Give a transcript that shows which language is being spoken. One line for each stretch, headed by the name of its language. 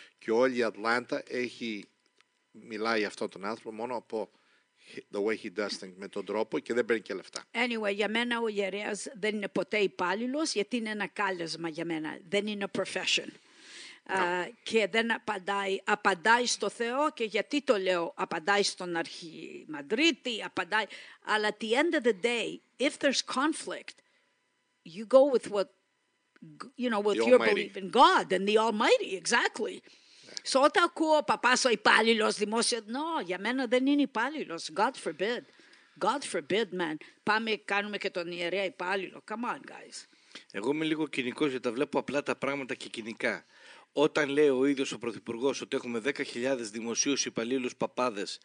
Greek: Και όλη η Ατλάντα μιλάει αυτόν τον άνθρωπο μόνο από
English: the way he does things,
Greek: με τον τρόπο και δεν παίρνει και λεφτά. Anyway, για μένα ο ιερέας δεν είναι ποτέ υπάλληλος, γιατί είναι ένα κάλεσμα για μένα. Δεν είναι
English: a profession. No.
Greek: Και δεν απαντάει. Απαντάει στο Θεό, και γιατί το λέω, απαντάει στον Αρχιμαντρίτη, απαντάει. Αλλά
English: at the end of the day, if there's conflict, you go with what, you know, with your belief in God and the Almighty, exactly.
Greek: Όταν ακούω ο παπάς ο υπάλληλος δημόσιο,
English: no,
Greek: για μένα δεν είναι υπάλληλος.
English: God forbid. God forbid, man.
Greek: Πάμε, κάνουμε και τον ιερέα υπάλληλο.
English: Come on, guys.
Greek: Εγώ είμαι λίγο κοινικός, γιατί τα βλέπω απλά τα πράγματα και κοινικά. Όταν λέει ο ίδιος ο Πρωθυπουργός ότι έχουμε 10.000 δημοσίους υπαλλήλους παπάδες.